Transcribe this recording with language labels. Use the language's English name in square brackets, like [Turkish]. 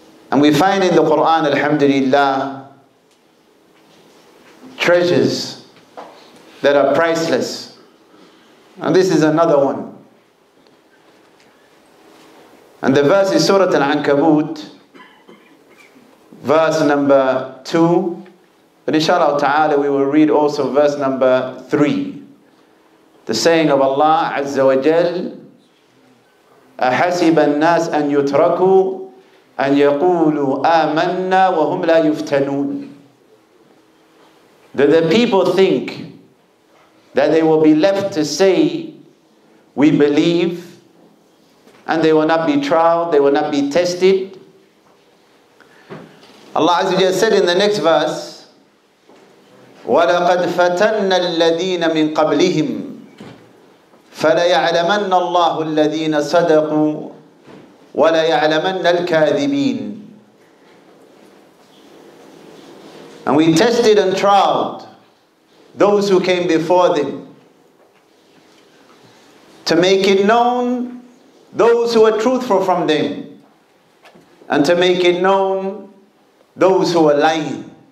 [English] And we find in the Qur'an, alhamdulillah, treasures that are priceless. And this is another one. And the verse is Surah Al-Ankabut, verse number 2. But inshallah ta'ala, we will read also verse number 3. The saying of Allah Azza wa Jal, [Arabic] أَحَسِبَ النَّاسَ أَن يُتْرَكُوا أَن يَقُولُوا آمَنَّا وَهُمْ لَا يُفْتَنُونَ. [English] That the people think that they will be left to say, we believe, and they will not be tried, they will not be tested. Allah Azza wa Jalla said in the next verse, [Arabic] وَلَقَدْ فَتَنَّ الَّذِينَ مِنْ قَبْلِهِمْ فَلَيَعْلَمَنَّ اللَّهُ الَّذِينَ صَدَقُوا وَلَيَعْلَمَنَّ الْكَاذِبِينَ. [English] And we tested and tried those who came before them to make it known those who were truthful from them and to make it known those who were lying.